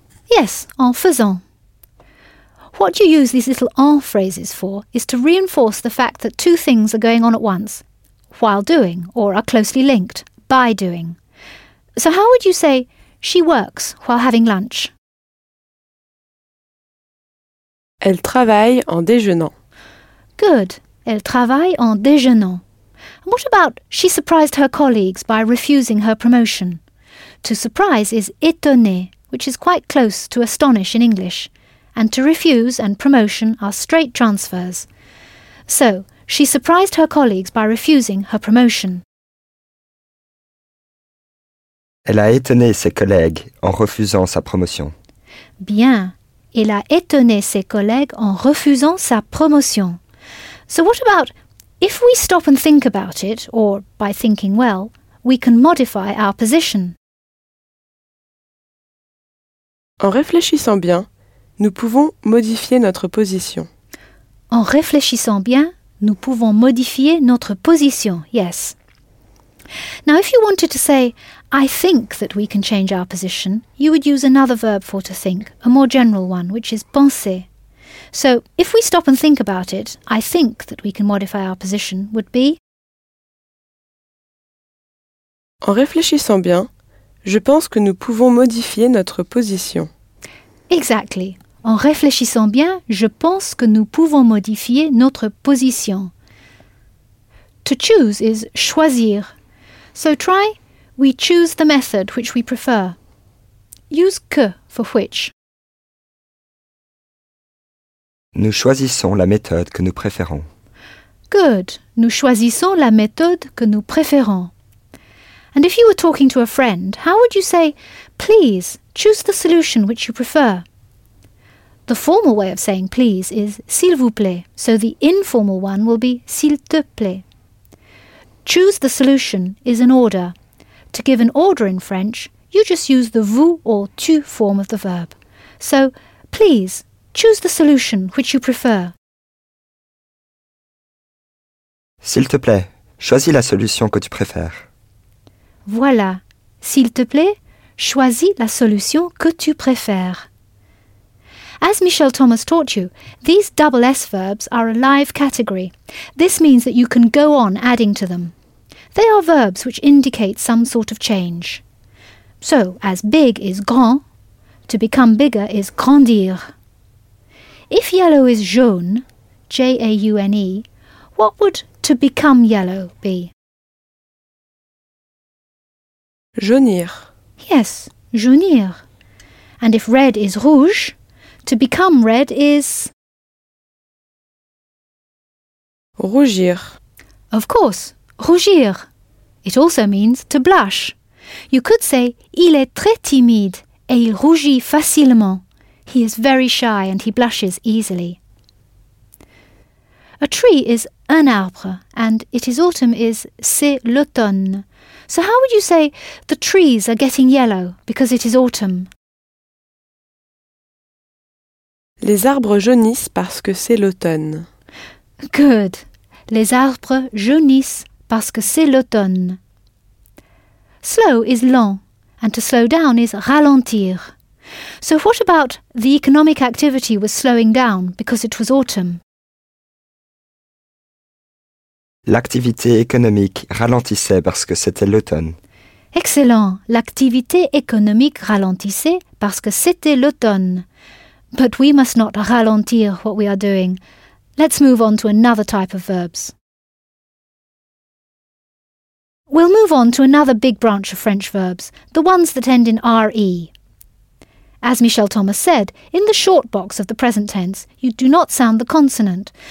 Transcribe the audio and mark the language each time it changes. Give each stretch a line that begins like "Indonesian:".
English: Yes,
French: en faisant.
English: What you use these little en phrases for is to reinforce the fact that two things are going on at once, while doing, or are closely linked, by doing. So how would you say, she works while having lunch?
French: Elle travaille en déjeunant.
English: Good.
French: Elle travaille en déjeunant.
English: And what about she surprised her colleagues by refusing her promotion? To surprise is étonner, which is quite close to astonish in English. And to refuse and promotion are straight transfers. So, she surprised her colleagues by refusing her promotion.
French: Elle a étonné ses collègues en refusant sa promotion. Bien. Elle a étonné ses collègues en refusant sa promotion.
English: So what about, if we stop and think about it, or by thinking well, we can modify our position?
French: En réfléchissant bien, nous pouvons modifier notre position. En réfléchissant bien, nous pouvons modifier notre position,
English: yes. Now if you wanted to say, I think that we can change our position, you would use another verb for to think, a more general one, which is penser. So, if we stop and think about it, I think that we can modify our position would be...
French: En réfléchissant bien, je pense que nous pouvons modifier notre position.
English: Exactly.
French: En réfléchissant bien, je pense que nous pouvons modifier notre position.
English: To choose is choisir. So try... We choose the method which we prefer. Use que for which.
French: Nous choisissons la méthode que nous préférons.
English: Good.
French: Nous choisissons la méthode que nous préférons.
English: And if you were talking to a friend, how would you say, please, choose the solution which you prefer? The formal way of saying please is
French: s'il vous plaît,
English: so the informal one will be
French: s'il te plaît.
English: Choose the solution is an order. To give an order in French, you just use the vous or tu form of the verb. So, please, choose the solution which you prefer.
French: S'il te plaît, choisis la solution que tu préfères. Voilà. S'il te plaît, choisis la solution que tu préfères.
English: As Michelle Thomas taught you, these double S verbs are a live category. This means that you can go on adding to them. They are verbs which indicate some sort of change. So, as big is grand, to become bigger is grandir. If yellow is jaune, J-A-U-N-E, what would to become yellow be?
French: Jaunir.
English: Yes, jaunir. And if red is rouge, to become red is...
French: Rougir.
English: Of course, rougir. It also means to blush. You could say,
French: il est très timide et il rougit facilement.
English: He is very shy and he blushes easily. A tree is
French: un arbre
English: and it is autumn is
French: c'est l'automne.
English: So how would you say, the trees are getting yellow because it is autumn?
French: Les arbres jaunissent parce que c'est l'automne.
English: Good.
French: Les arbres jaunissent. Parce que c'est l'automne.
English: Slow is lent, and to slow down is ralentir. So what about the economic activity was slowing down because it was autumn?
French: L'activité économique ralentissait parce que c'était l'automne.
English: Excellent.
French: L'activité économique ralentissait parce que c'était l'automne.
English: But we must not ralentir what we are doing. Let's move on to another type of verbs. We'll move on to another big branch of French verbs, the ones that end in RE. As Michel Thomas said, in the short box of the present tense, you do not sound the consonant.